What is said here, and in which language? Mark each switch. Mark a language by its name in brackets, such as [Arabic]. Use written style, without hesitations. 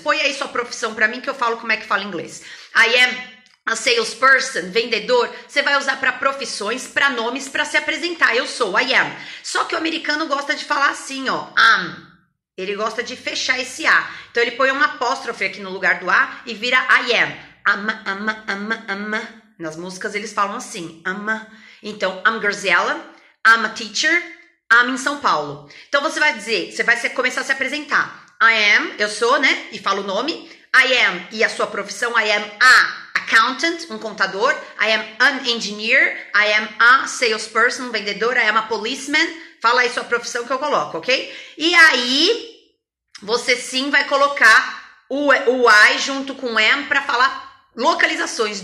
[Portuguese] Põe aí sua profissão pra mim que eu falo como é que fala inglês. [English] I am a salesperson, [Portuguese] vendedor. Você vai usar pra profissões, pra nomes, pra se apresentar. Eu sou, [English] I am. [Portuguese] Só que o americano gosta de falar assim, ó. I'm. Ele gosta de fechar esse A. Então ele põe uma apóstrofe aqui no lugar do A e vira I am. Ama, ama, ama, ama. Nas músicas eles falam assim, ama. Então, [English] I'm Graziella, I'm a teacher, I'm in São Paulo. [Portuguese] Então você vai dizer, você vai começar a se apresentar. [English] I am, [Portuguese] eu sou, né? E fala o nome. I am, e a sua profissão. [English] I am a accountant, [Portuguese] um contador. [English] I am an engineer. I am a salesperson, [Portuguese] um vendedor. [English] I am a policeman. [Portuguese] Fala aí sua profissão que eu coloco, ok? E aí, você sim vai colocar o I junto com am pra falar localizações.